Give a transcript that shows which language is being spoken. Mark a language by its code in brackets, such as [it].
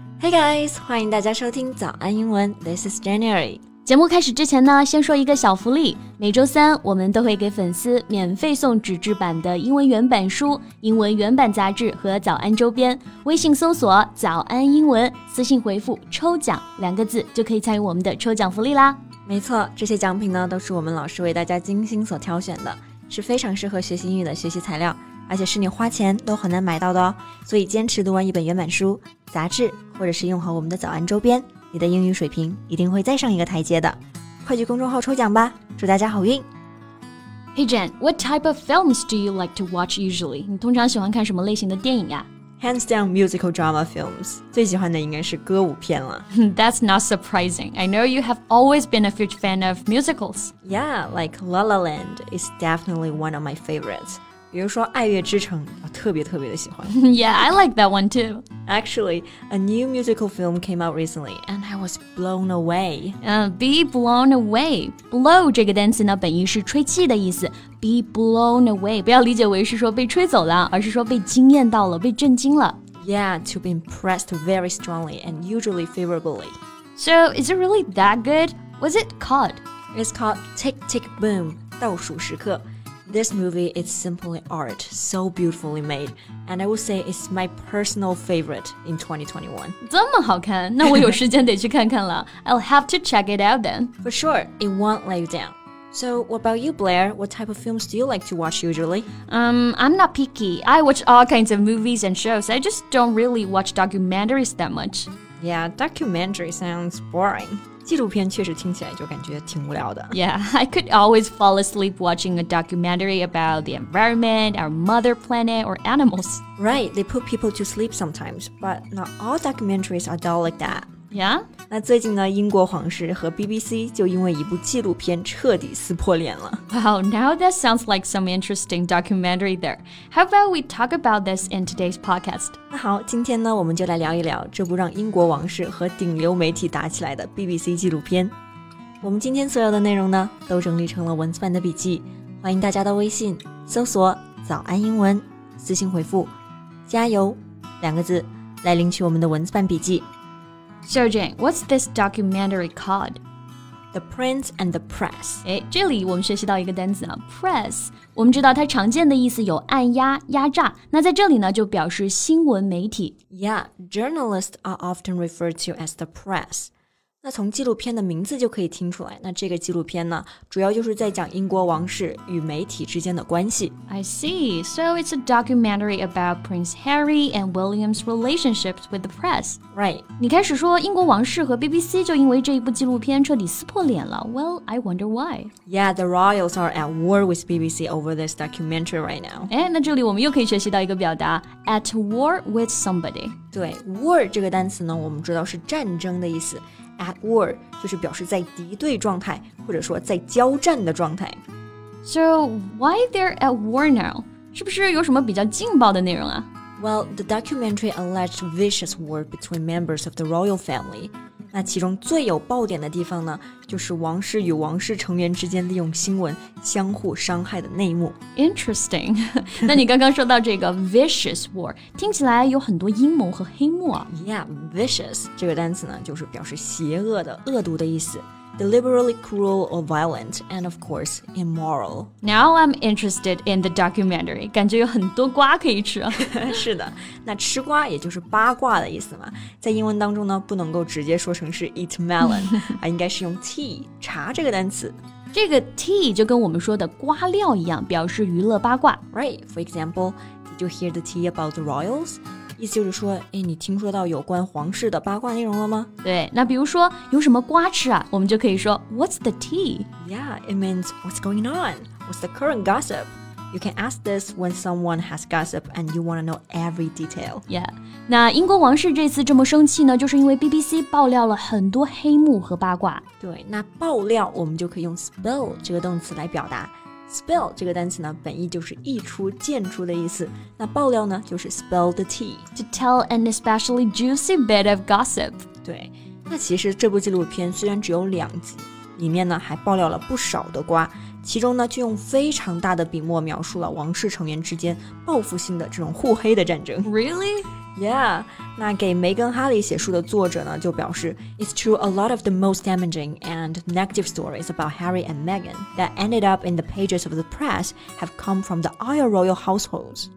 [en] Hey guys, [zh] 欢迎大家收听早安英文 [en] This is January. [zh] 节目开始之前呢，先说一个小福利。每周三我们都会给粉丝免费送纸质版的英文原版书、英文原版杂志和早安周边。微信搜索早安英文，私信回复抽奖两个字就可以参与我们的抽奖福利啦。没错，这些奖品呢都是我们老师为大家精心所挑选的，是非常适合学习英语的学习材料，而且是你花钱都很难买到的哦。所以坚持读完一本原版书、杂志，或者是用好我们的早安周边，你的英语水平一定会再上一个台阶的。快去公众号抽奖吧，祝大家好运。 [en] Hey Jen, what type of films do you like to watch usually? [zh] 你通常喜欢看什么类型的电影呀？ [en] Hands down, musical drama films. [zh] 最喜欢的应该是歌舞片了。 [en] That's not surprising. I know you have always been a huge fan of musicals. Yeah, like La La Land is definitely one of my favorites. [zh] 比如说爱乐之城，我特别特别的喜欢。 [en] Yeah, I like that one too. Actually, a new musical film came out recently, and I was blown away. Be blown away. [zh] Blow 这个单词呢，本意是吹气的意思。 [en] Be blown away [zh] 不要理解为是说被吹走了，而是说被惊艳到了，被震惊了。 [en] Yeah, to be impressed very strongly and usually favorably. So, is it really that good? What's it called? It's called Tick Tick Boom, [zh] 倒数时刻。 [en] This movie is simply art, so beautifully made, and I would say it's my personal favorite in 2021. [zh] 这么好看，那我有时间得去看看了。 [en] I'll have to check it out then. For sure, it won't let you down. So, what about you, Blair? What type of films do you like to watch usually? I'm not picky. I watch all kinds of movies and shows. I just don't really watch documentaries that much. Yeah, documentary sounds boring. [zh] 纪录片确实听起来就感觉挺无聊的。 [en] Yeah, I could always fall asleep watching a documentary about the environment, our mother planet, or animals. Right, they put people to sleep sometimes, but not all documentaries are dull like that. Yeah? [zh] 那最近呢，英国皇室和 BBC 就因为一部纪录片彻底撕破脸了。 [en] Wow, now that sounds like some interesting documentary there. How about we talk about this in today's podcast? [zh] 那好，今天呢，我们就来聊一聊这部让英国王室和顶流媒体打起来的 BBC 纪录片。我们今天所有的内容呢，都整理成了文字版的笔记，欢迎大家到微信搜索“早安英文”，私信回复“加油”两个字来领取我们的文字版笔记。 [en] So Jane, what's this documentary called? The Prince and the Press. [zh] 这里我们学习到一个单词啊 ,press。我们知道它常见的意思有按压、压榨。那在这里呢就表示新闻媒体。 [en] Yeah, journalists are often referred to as the press. [zh] 那从纪录片的名字就可以听出来。那这个纪录片呢主要就是在讲英国王室与媒体之间的关系。 [en] I see. So it's a documentary about Prince Harry and William's relationships with the press. Right. [zh] 你开始说英国王室和 BBC 就因为这一部纪录片彻底撕破脸了。 [en] Well, I wonder why. Yeah, the royals are at war with BBC over this documentary right now. [zh] 那这里我们又可以学习到一个表达 [en] at war with somebody. [zh] 对 war 这个单词呢我们知道是战争的意思。 At war 就是表示在敌对状态或者说在交战的状态。 [en] So, why they're at war now? [zh] 是不是有什么比较劲爆的内容啊？ [en] Well, the documentary alleged vicious war between members of the royal family. [zh] 那其中最有爆点的地方呢，就是王室与王室成员之间利用新闻相互伤害的内幕。 [en] Interesting. [zh] 那你刚刚说到这个 vicious war, 听起来有很多阴谋和黑幕啊。 Yeah, vicious 这个单词呢，就是表示邪恶的、恶毒的意思。 [en] Deliberately cruel or violent, and of course, immoral. Now I'm interested in the documentary. [zh] 感觉有很多瓜可以吃啊。是的，那吃瓜也就是八卦的意思嘛。在英文当中呢，不能够直接说成是 eat melon, 而应该是用 tea, 茶这个单词。这个 tea 就跟我们说的瓜料一样，表示娱乐八卦。 [en] Right, for example, did you hear the tea about the royals? [zh] 意思就是说你听说到有关皇室的八卦内容了吗对那比如说有什么瓜吃啊我们就可以说 [en] What's the tea? Yeah, it means what's going on? What's the current gossip? You can ask this when someone has gossip and you want to know every detail. [zh] Yeah, 那英国王室这次这么生气呢就是因为 BBC 爆料了很多黑幕和八卦。对那爆料我们就可以用 spill 这个动词来表达。 Spill 这个单词呢本意就是溢出溅出的意思那爆料呢就是 spill the tea [en] To tell an especially juicy bit of gossip [zh] 对那其实这部纪录片虽然只有两集里面呢还爆料了不少的瓜，其中呢就用非常大的笔墨描述了王室成员之间报复性的这种互黑的战争。 [en] Really? Yeah, [zh] 那给梅根哈利写书的作者呢就表示 [en] It's true a lot of the most damaging and negative stories about Harry and Meghan that ended up in the pages of the press have come from the other royal households.